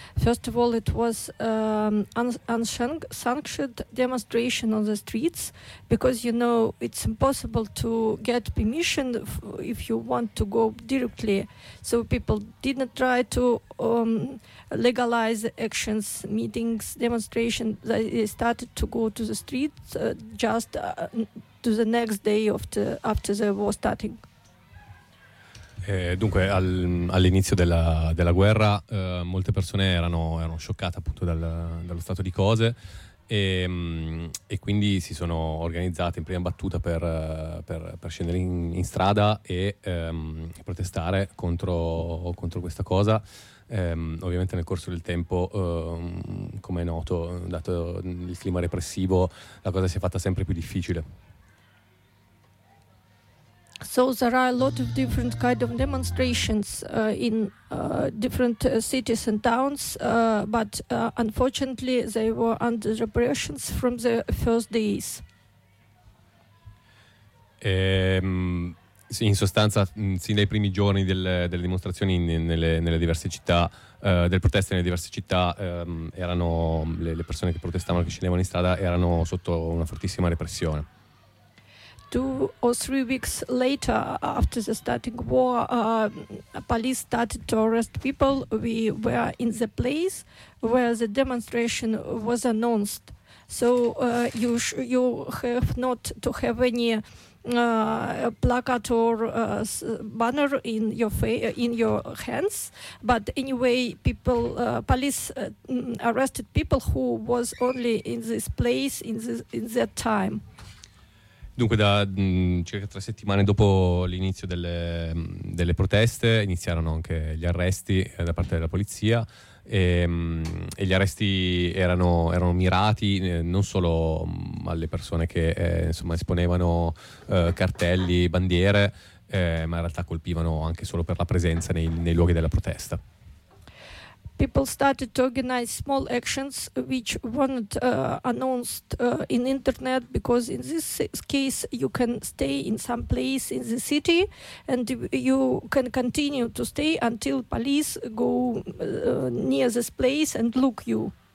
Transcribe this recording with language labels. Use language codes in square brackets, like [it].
[en] First of all, it was unsanctioned demonstration on the streets, because, you know, it's impossible to get permission if you want to go directly. So people didn't try to legalize actions, meetings, demonstration. They started to go to the streets just to the next day after the war starting. [it] Dunque, all'inizio della guerra, molte persone erano scioccate appunto dallo stato di cose e quindi si sono organizzate in prima battuta per scendere in strada e protestare contro questa cosa. Ovviamente nel corso del tempo, come è noto, dato il clima repressivo, la cosa si è fatta sempre più difficile. [en] So there are a lot of different kind of demonstrations in different cities and towns, but unfortunately they were under repressions from the first days. [it] In sostanza, sin dai primi giorni delle dimostrazioni nelle diverse città, delle proteste nelle diverse città, erano le persone che protestavano, che scendevano in strada, erano sotto una fortissima repressione. [en] Two or three weeks later, after the starting war, police started to arrest people. We were in the place where the demonstration was announced. So you have not to have any placard or banner in your hands. But anyway, police arrested people who was only in this place in that time. [it] Dunque, da circa tre settimane dopo l'inizio delle proteste, iniziarono anche gli arresti da parte della polizia e gli arresti erano mirati non solo alle persone che insomma esponevano cartelli, bandiere, ma in realtà colpivano anche solo per la presenza nei luoghi della protesta. [en] People started to organize small actions which weren't announced in internet, because in this case you can stay in some place in the city and you can continue to stay until police go near this place and look you.